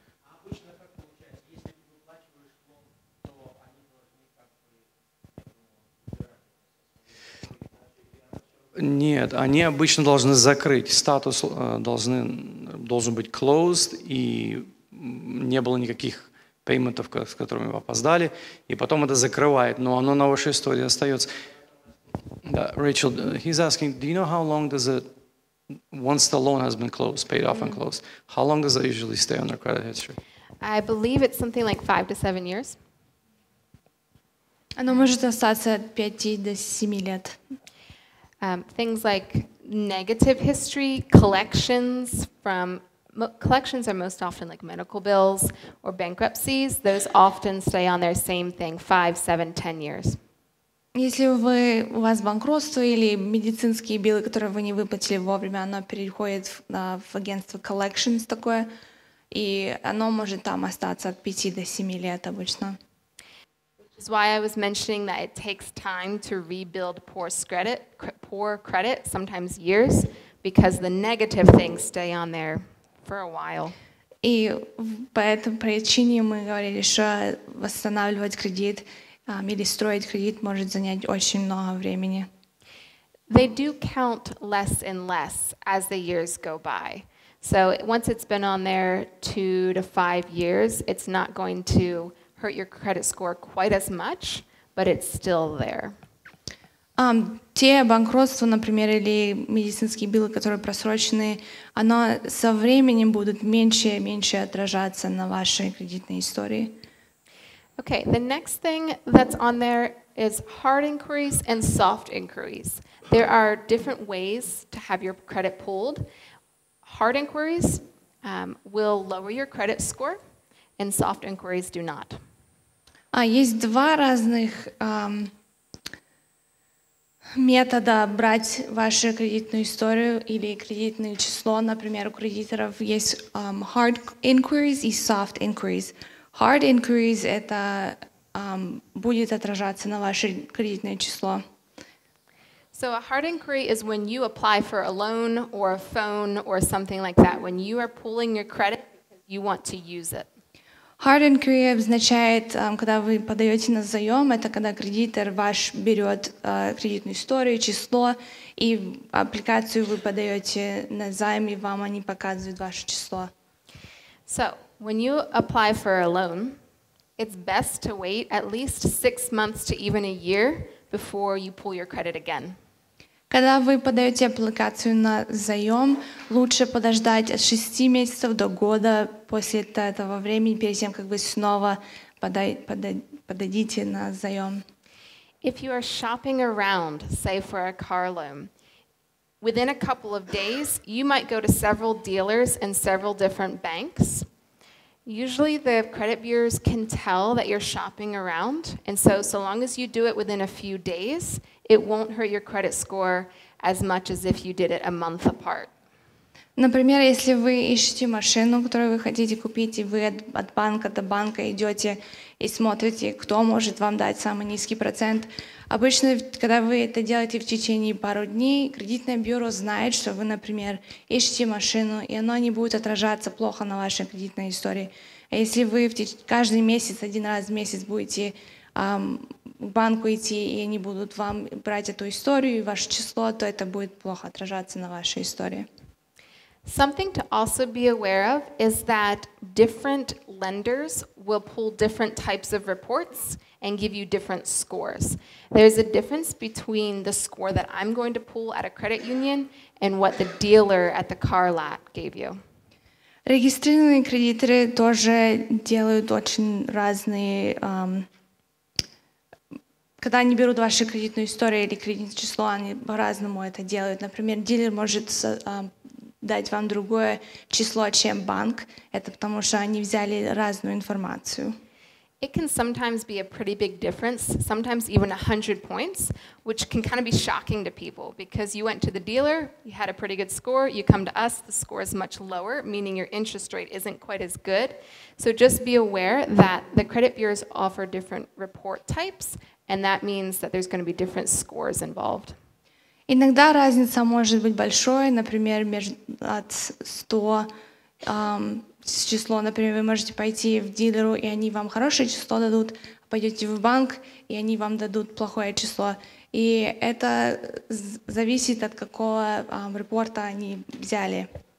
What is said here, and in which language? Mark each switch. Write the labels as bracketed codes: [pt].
[ru] А обычно как получается? Если ты выплачиваешь лон, то они должны как-то... Нет, они обычно должны закрыть статус, должен быть closed, и не было никаких пейментов, с которыми вы опоздали, и потом это закрывает, но оно на вашей истории остается. [en] Rachel, he's asking, do you know how long does it, once the loan has been closed, paid off and closed, how long does it usually stay on their credit history? I believe it's something like 5 to 7 years. [ru] Оно может остаться от 5 до 7 лет. [en] Things like negative history, collections are most often like medical bills or bankruptcies. Those often stay on their same thing, 5, 7, 10 years. [ru] Если у вас банкротство или медицинские биллы, которые вы не выплатили вовремя, оно переходит в агентство collections такое, и оно может там остаться от 5 до 7 лет обычно. [en] This is why I was mentioning that it takes time to rebuild poor credit, sometimes years, because the negative things stay on there for a while. [ru] И по этой причине мы говорили, что восстанавливать кредит или строить кредит может занять очень много времени. [en] They do count less and less as the years go by. So once it's been on there 2 to 5 years, it's not going to hurt your credit score quite as much, but it's still there. [ru] Те банкротства, например, или медицинские билы, которые просрочены, оно со временем будут меньше и меньше отражаться на вашей кредитной истории. [en] Okay, the next thing that's on there is hard inquiries and soft inquiries. There are different ways to have your credit pulled. Hard inquiries will lower your credit score, and soft inquiries do not. [ru] Есть два разных метода брать вашу кредитную историю или кредитное число, например, у кредиторов. [en] Есть hard inquiries и soft inquiries. [ru] Hard inquiries — это будет отражаться на ваше кредитное число. [en] So a hard inquiry is when you apply for a loan or a phone or something like that, when you are pulling your credit because you want to use it. [ru] Hard inquiry означает, когда вы подаете на заем, это когда кредитор ваш берет кредитную историю, число, и аппликацию вы подаете на займ, и вам они показывают ваше число. [en] So, when you apply for a loan, it's best to wait at least 6 months to even a year before you pull your credit again. [ru] Когда вы подаете аппликацию на заем, лучше подождать от 6 месяцев до года после этого времени, перед тем, как вы снова подадите на заем. [en] If you are shopping around, say for a car loan, within a couple of days, you might go to several dealers and several different banks. Usually the credit bureaus can tell that you're shopping around, and so long as you do it within a few days, it won't hurt your credit score as much as if you did it a month apart. [ru] Например, если вы ищете машину, которую вы хотите купить, и вы от банка до банка идете и смотрите, кто может вам дать самый низкий процент, обычно, когда вы это делаете в течение пару дней, кредитное бюро знает, что вы, например, ищете машину, и оно не будет отражаться плохо на вашей кредитной истории. А если вы каждый месяц, один раз в месяц будете к банку идти, и они будут вам брать эту историю и ваше число, то это будет плохо отражаться на вашей истории. [en] Something to also be aware of is that different lenders will pull different types of reports and give you different scores. There's a difference between the score that I'm going to pull at a credit union and what the dealer at the car lot gave you. [ru] Регистрированные кредиторы тоже делают очень разные... Когда они берут вашу кредитную историю или кредитное число, они по-разному это делают. Например, дилер может дать вам другое число, чем банк. Это потому, что они взяли разную информацию. [en] It can sometimes be a pretty big difference, sometimes even 100 points, which can kind of be shocking to people, because you went to the dealer, you had a pretty good score, you come to us, the score is much lower, meaning your interest rate isn't quite as good. So just be aware that the credit bureaus offer different report types, and that means that there's going to be different scores involved. [ru] Иногда разница может быть большой, например, между от 100 с число, например, вы можете пойти в дилеру, и они вам хорошее число дадут, пойдете в банк, и они вам дадут плохое число. И это зависит от какого репорта они взяли.